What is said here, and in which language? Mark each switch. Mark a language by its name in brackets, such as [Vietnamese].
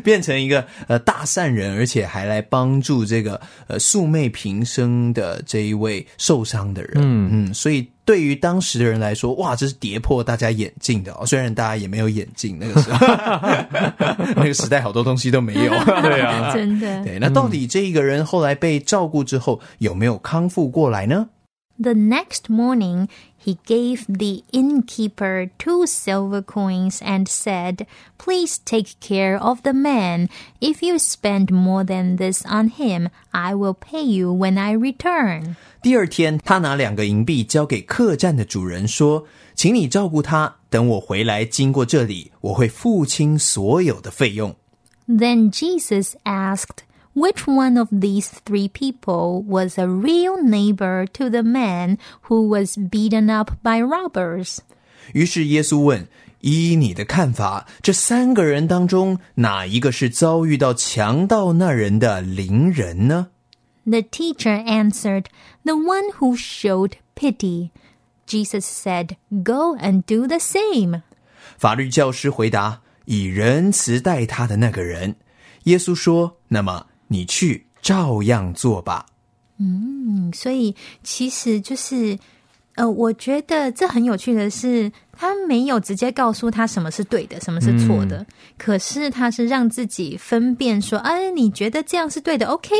[Chinese] 变成一个大善人，而且还来帮助这个素昧平生的这一位受伤的人。嗯嗯，所以对于当时的人来说，哇，这是跌破大家眼镜的、哦、虽然大家也没有眼镜那个时候那个时代好多东西都没有对啊，真的，对，那到底这一个人后来被照顾之后有没有康复过来呢？ [English] The next morning, he gave the innkeeper 2 silver coins and said, Please take care of the man. If you spend more than this on him, I will pay you when I return. [Chinese] 第二天，他拿两个银币交给客栈的主人说，请你照顾他，等我回来经过这里，我会付清所有的费用。 [English] Then Jesus asked,Which one of these 3 people was a real neighbor to the man who was beaten up by robbers? [Chinese] 于是耶稣问，依你的看法，这三个人当中哪一个是遭遇到强盗那人的邻人呢？ [English] The teacher answered, the one who showed pity. Jesus said, go and do the same. [Chinese] 法律教师回答，以仁慈待他的那个人。耶稣说，那么你去照样做吧。嗯，所以其实就是我觉得这很有趣的是，他没有直接告诉他什么是对的什么是错的、嗯、可是他是让自己分辨说，哎，你觉得这样是对的， OK、